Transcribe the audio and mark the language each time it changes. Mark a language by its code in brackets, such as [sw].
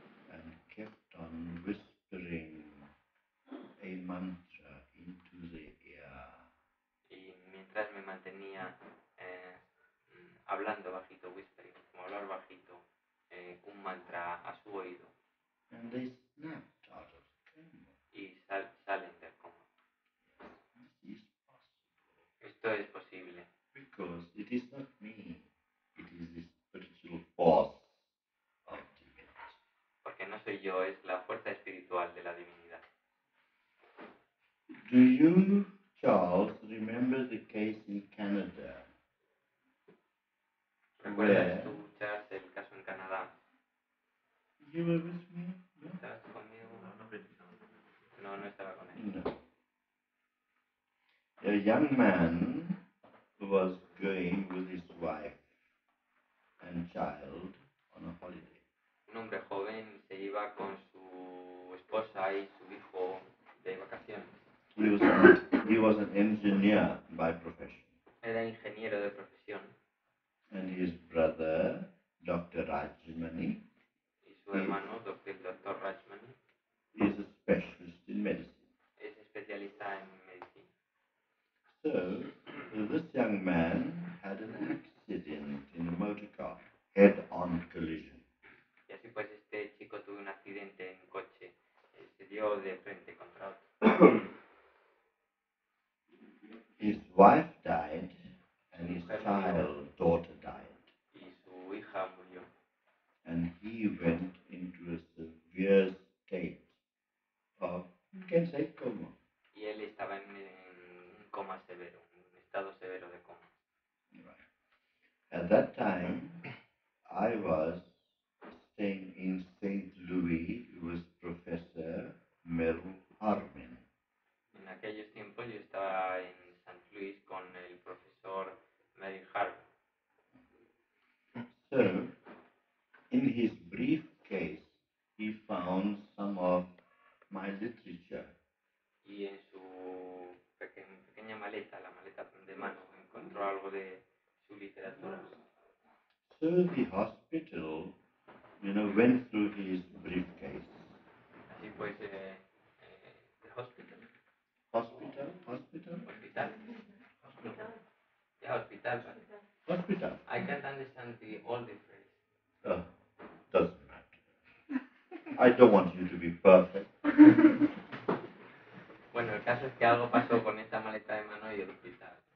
[en] And kept on whispering a mantra into the air. [es] Y mientras me mantenía hablando bajito, whispering, como hablar bajito, un mantra a su oído. [en] And they snapped out of the coma. [es] Y salen del coma. [en] This is possible. [es] Esto es posible. [en] Because it is not me, it is the spiritual force of divinity. [es] Porque no soy yo, es la fuerza espiritual de la divinidad. [en] Do you, Charles, remember the case in Canada? [es] ¿Recuerdas tú, Charles, el caso en Canadá? [en] You were with me? No? [es] ¿Estabas conmigo? No, estaba con él. [en] No. A young man was going with his wife and child on a holiday. [es] Un hombre joven se iba con su esposa y su hijo de vacaciones. [en] He was an engineer by profession. [es] Era ingeniero de profesión. [en] And his brother, Dr. Rajmani. [es] Y su hermano, Dr. Rajmani. [en] Is a specialist in medicine. [es] Es especialista en medicina. [en] So, this young man had an accident in a motor car, head-on collision. [es] Y así pues este chico tuvo un accidente en coche, se dio de frente contra otro. [en] His wife died, and his child, daughter died. [es] Y su hija murió. [en] And he went into a severe state of, you can say, coma. [es] Y él estaba en un coma severo, un estado severo de coma. [en] Right. At that time, I was staying in St. Louis with Professor Mel Harmon. [es] En aquellos tiempos yo estaba en St. Louis con el profesor Mary Harvey. [en] So, in his briefcase, he found some of my literature. [es] Y en su pequeña maleta, la maleta de mano, encontró algo de su literatura. [en] So the hospital, you know, went through his briefcase. [es] Así pues, el hospital. [en] Hospital. I can't understand the old difference. Doesn't matter. I don't want you to be perfect. [es] Bueno, el caso es que algo pasó con esta maleta de mano y el hospital.